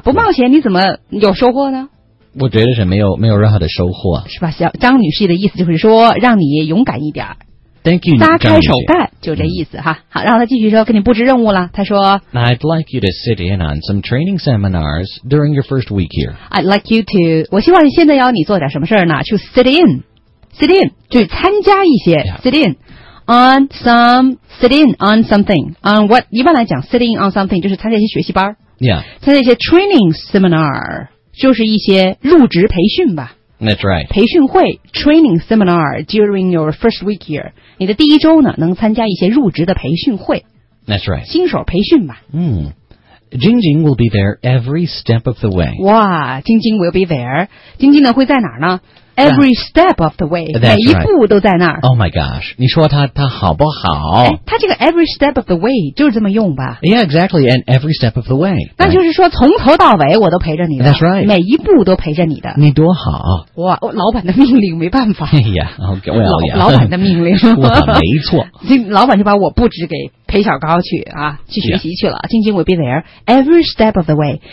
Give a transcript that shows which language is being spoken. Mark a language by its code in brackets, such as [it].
[zh] 不冒险你怎么有收获呢我觉得是没有任何的收获。是吧小张女士的意思就是说让你勇敢一点。 [en] Thank you, [zh] 撒开手干就这意思、嗯、哈。好，然后他继续说，给你布置任务了。他说 [en] ，I'd like you to sit in on some training seminars during your first week here. I'd like you to， [zh] 我希望现在要你做点什么事呢 ？ [en] To sit in， sit in， [zh] 去参加一些、 [en] yeah. sit in on some， sit in on something， on what？ [zh] 一般来讲 ，sit in on something 就是参加一些学习班 [en] ，Yeah， [zh] 参加一些 training seminar， 就是一些入职培训吧。 [en] That's right. 培训会 training seminar during your first week here. [zh] 你的第一周呢能参加一些入职的培训会。 [en] That's right. [zh] 新手培训吧。 [en] Jing Jing will be there every step of the way. 哇 Jing Jing will be there. Jing Jing [zh] 呢会在哪呢 [en] Every step of the way. [zh] 每一步都在那儿。 [en] Oh my gosh. [zh] 你说他好不好、哎、他这个 [en] every step of the way [zh] 就是这么用吧。 [en] Yeah, exactly. And every step of the way. [zh] 那就是说从头到尾我都陪着你的。 [en] That's right. [zh] 每一步都陪着你的。你多好。哇老板的命令没办法。 [en] 哎呀 okay, well, yeah. [zh] 老板的命令。我没错。老板就把我布置给。陪小高去啊，去学习去了。 [en] Jing Jing will be there every step of the way.